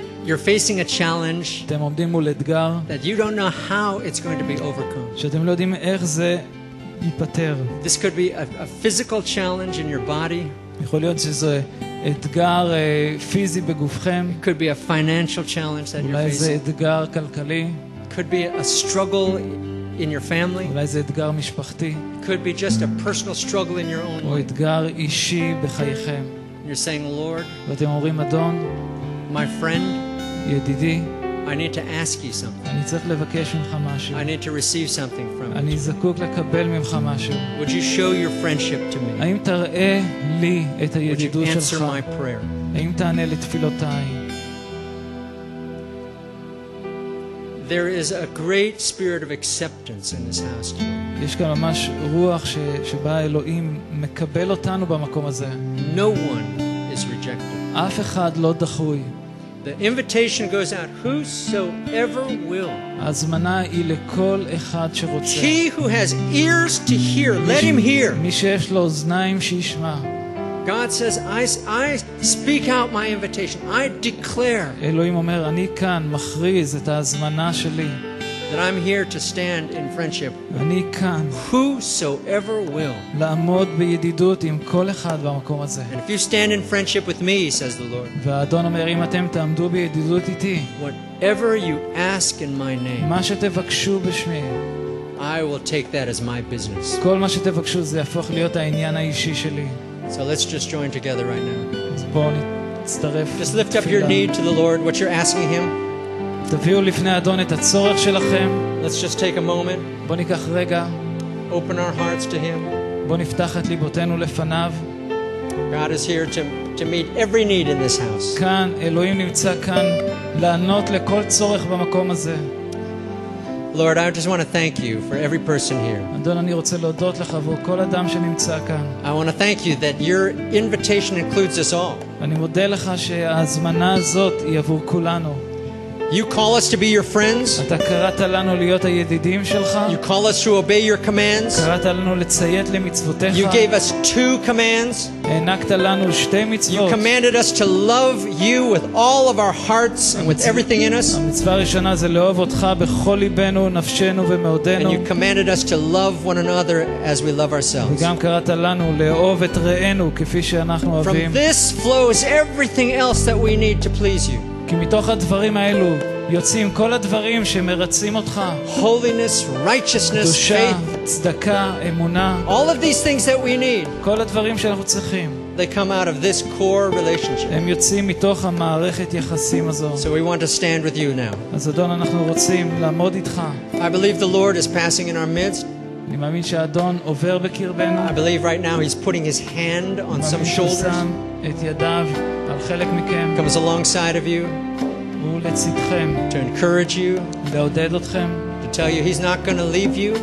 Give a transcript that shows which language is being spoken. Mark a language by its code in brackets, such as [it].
[en] You're facing a challenge [he] אתם עומדים מול אתגר [en] that you don't know how it's going to be overcome [he] שאתם לא יודעים איך זה ייפתר [en] This could be a physical challenge in your body [he] יכול להיות שזה אתגר פיזי בגופכם [en] It could be a financial challenge that you're facing [he] אולי זה אתגר כלכלי [en] could be a struggle in your family [he] אולי זה אתגר משפחתי [en] could be just a personal struggle in your own [he] או אתגר אישי בחייכם [en] You're saying Lord [he] ואתם אומרים אדון [en] My friend, [he] ידידי, [en] I need to ask you something. [he] אני צריך לבקש ממך משהו. [en] I need to receive something from you. [he] אני זקוק לקבל ממך משהו. [en] Would you show your friendship to me? [he] האם תראה לי את הידידות שלך? [en] Would you answer my prayer? [he] האם תענה לתפילותיי? [en] There is a great spirit of acceptance in this house. [he] יש כאן ממש רוח שבה אלוהים מקבל אותנו במקום הזה. [en] No one is rejected. [he] אף אחד לא דחוי. [en] The invitation goes out whosoever will. [he] הזמנה היא לכל אחד שרוצה. [en] He who has ears to hear, let him hear. [he] מי שיש לו אוזניים שישמע. [en] God says I speak out my invitation. I declare. [he] אלוהים אומר אני כאן מכריז את ההזמנה שלי. [en] That I'm here to stand in friendship. [he] אני כאן. [en] Whosoever will. [he] לעמוד בידידות עם כל אחד במקום הזה. [en] And if you stand in friendship with me, says the Lord. [he] ואדון אומר, אם אתם תעמדו בידידות איתי. [en] What Whatever you ask in my name, [he] מה שתבקשו בשמי, [en] I will take that as my business. [he] כל מה שתבקשו זה יהפוך להיות העניין האישי שלי. [en] So let's just join together right now. [he] בואו נצטרף. [en] Just לפת up your need to the Lord, what you're asking him. [he] תביאו לפני אדון את הצורך שלכם. [en] Let's just take a moment. [he] בואו ניקח רגע. [en] Open our hearts to him. [he] בואו נפתח את ליבותינו לפניו. [en] God is here to meet every need in this house. [he] כאן אלוהים נמצא כאן לענות לכל צורך במקום הזה. [en] Lord, I just want to thank you for every person here. [he] אדון, אני רוצה להודות לך עבור כל אדם שנמצא כאן. [en] I want to thank you that your invitation includes us all. [he] אני מודה לך שההזמנה הזאת היא עבור כולנו. [en] You call us to be your friends. [he] אתה קראת לנו להיות הידידים שלך. [en] You call us to obey your commands. [he] קראת לנו לציית למצוותיך. [en] You gave us two commands. [he] הענקת לנו שתי מצוות. [en] You commanded us to love you with all of our hearts and with everything in us. [he] המצווה הראשונה זה לאהוב אותך בכל ליבנו, נפשנו ומאודנו. [en] And you commanded us to love one another as we love ourselves. [he] וגם קראת לנו לאהוב את רעינו כפי שאנחנו אוהבים. [en] From this flows everything else that we need to please you. [he] כי מתוך הדברים האלו יוצאים כל הדברים שמרצים אותך. [en] Holiness, righteousness, [he] קדושה, [en] faith, [he] צדקה, אמונה. [en] All of these things that we need. [he] כל הדברים שאנחנו צריכים. [en] They come out of this core relationship. [he] הם יוצאים מתוך המערכת יחסים הזו. [en] So we want to stand with you now. [he] אז אדון, אנחנו רוצים לעמוד איתך. [en] I believe the Lord is passing in our midst. [he] אני מאמין שאדון עובר בקרבנו. [en] I believe right now he's putting his hand on some shoulders. [he] את ידיו על חלק מכם. [en] Comes alongside of you. [he] הוא לצדכם. [en] To encourage you. [he] לעודד אתכם. [en] To tell you he's not going to leave you.